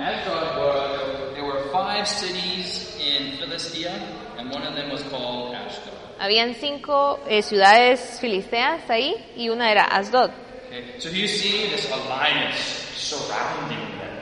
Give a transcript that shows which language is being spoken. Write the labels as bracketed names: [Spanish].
[English] Asdod, there were five cities in Philistia, and one of them was called Ashdod. [Spanish] Habían cinco ciudades filisteas ahí, y una era Asdod. [English] Okay. So you see this alliance surrounding them.